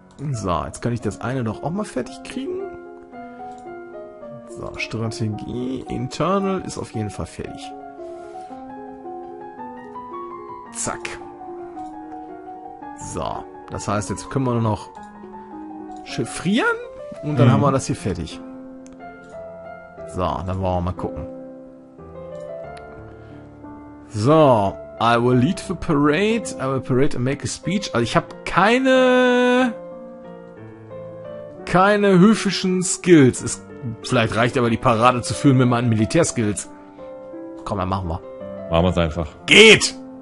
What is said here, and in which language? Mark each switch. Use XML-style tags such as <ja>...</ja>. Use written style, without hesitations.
<de>So, jetzt kann ich das eine doch auch mal fertig kriegen. So, Strategie, Internal ist auf jeden Fall fertig. Zack. So, das heißt, jetzt können wir nur noch chiffrieren und dann haben wir das hier fertig. So, dann wollen wir mal gucken.</de> <en>So, I will lead the parade. I will parade and make a speech.</en> <de>Also ich habe keine höfischen Skills. Vielleicht reicht aber die Parade zu führen mit meinen Militärskills. Komm, dann machen wir. Machen wir es einfach. Geht!</de>